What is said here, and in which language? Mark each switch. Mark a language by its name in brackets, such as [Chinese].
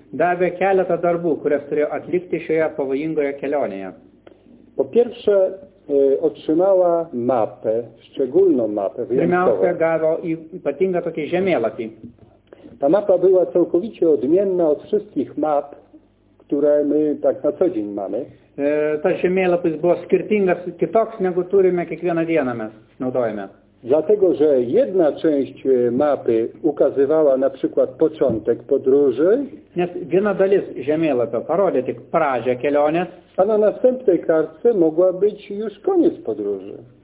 [Lithuanian] Dawę keletą darbów, które turėjo atlikti šioje pavojingoje kelionėje. [Polish] Po pierwsze, otrzymała mapę, szczególną mapę wyjątkową. [Lithuanian] Pirmiausia, gavo ypatingą tokį žemėlapį. [Polish] Ta mapa była całkowicie odmienna od wszystkich map, które my tak na co dzień mamy. [Lithuanian] Ta žemėlapis buvo skirtingas, kitoks negu turime kiekvieną dieną mes naudojame. [Polish] Dlatego, że jedna część mapy ukazywała na przykład początek podróży, [Lithuanian] viena dalis žemėlapio parodė tik pradžią kelionės, [Polish] a na następnej kartce mogła być już koniec podróży.